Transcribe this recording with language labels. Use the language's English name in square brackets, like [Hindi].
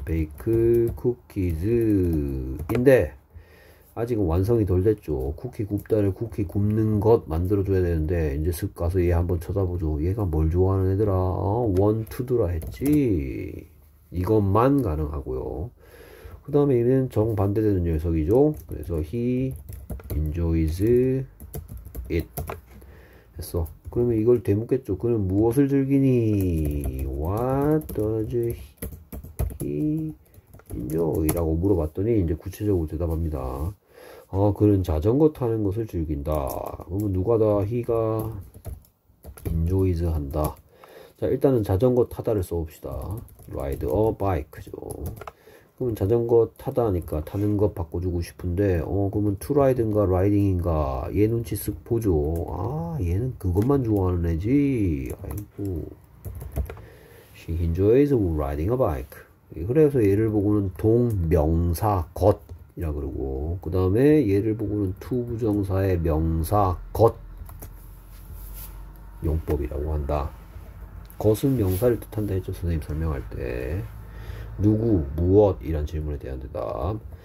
[Korean] 베이크 쿠키즈 인데 아직은 완성이 덜 됐죠. 쿠키 굽다를 쿠키 굽는 것 만들어 줘야 되는데 이제 슥 가서 얘 한번 쳐다보죠. 얘가 뭘 좋아하는 애들아 원투드라 했지 이것만 가능하고요. 그 다음에 얘는 정반대되는 녀석이죠. 그래서 [English] he enjoys it [Korean] 했어. 그러면 이걸 되묻겠죠. 그는 무엇을 즐기니? [English] What does he enjoy? [Korean] 라고 물어봤더니 이제 구체적으로 대답합니다. 그는 자전거 타는 것을 즐긴다. 그러면 누가 다 he가 enjoys 한다. 자 일단은 자전거 타다를 써봅시다. [English] ride a bike죠. [Korean] 그러면 자전거 타다 하니까 타는 것 바꿔주고 싶은데 그러면 투라이드인가 라이딩인가 얘 눈치 쓱 보죠. 아 얘는 그것만 좋아하는 애지. [English] 아이고 She enjoys riding a bike. [Korean] 그래서 얘를 보고는 동명사 것이라 그러고 그 다음에 얘를 보고는 투부정사의 명사 것 용법이라고 한다. 것은 명사를 뜻한다 했죠 선생님 설명할 때. 누구, 무엇 이란 질문에 대한 대답.